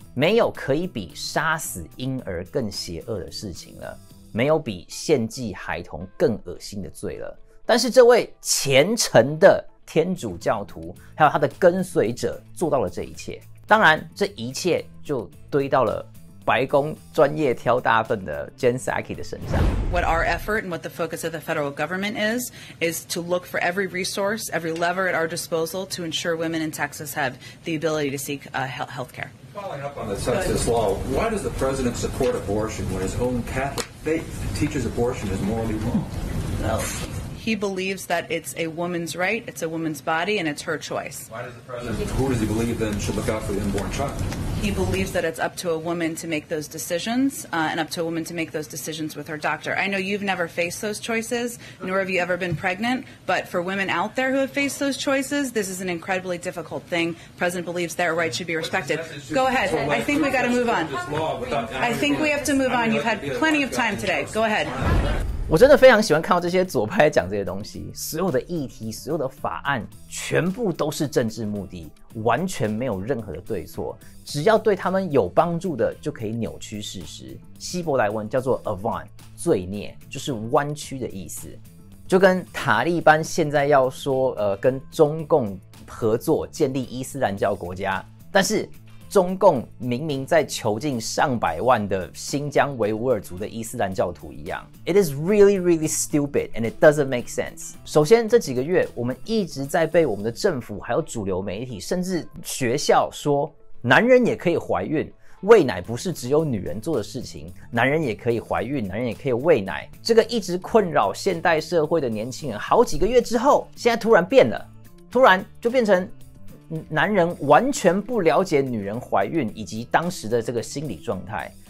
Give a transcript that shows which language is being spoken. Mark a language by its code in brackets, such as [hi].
[zh] 没有可以比杀死婴儿更邪恶的事情了，没有比献祭孩童更恶心的罪了。但是这位虔诚的天主教徒还有他的跟随者做到了这一切，当然这一切就堆到了白宫专业挑大粪的 Jen Psaki 的身上。 [en] What our effort and what the focus of the federal government is to look for every resource, every lever at our disposal to ensure women in Texas have the ability to seek healthcare. Following up on the census law, why does the president support abortion when his own Catholic faith teaches abortion is morally wrong? He believes that it's a woman's right, it's a woman's body, and it's her choice. Who does he believe then should look out for the unborn child? He believes that it's up to a woman to make those decisions, and up to a woman to make those decisions with her doctor. I know you've never faced those choices, nor have you ever been pregnant, but for women out there who have faced those choices, this is an incredibly difficult thing. The president believes their rights should be respected. Go ahead. I think we got to move on. I think we have to move on. You've had plenty of time today. Go ahead. [zh] 我真的非常喜欢看到这些左派讲这些东西，所有的议题、所有的法案全部都是政治目的，完全没有任何的对错，只要对他们有帮助的就可以扭曲事实。希伯来文叫做 Avon， 罪孽就是弯曲的意思，就跟塔利班现在要说跟中共合作建立伊斯兰教国家，但是中共明明在囚禁上百万的新疆维吾尔族的伊斯兰教徒一样。 [en] It is really really stupid and it doesn't make sense. [zh] 首先这几个月我们一直在被我们的政府还有主流媒体甚至学校说男人也可以怀孕，喂奶不是只有女人做的事情，男人也可以怀孕，男人也可以喂奶，这个一直困扰现代社会的年轻人好几个月之后，现在突然变了，突然就变成男人完全不了解女人怀孕以及当时的这个心理状态。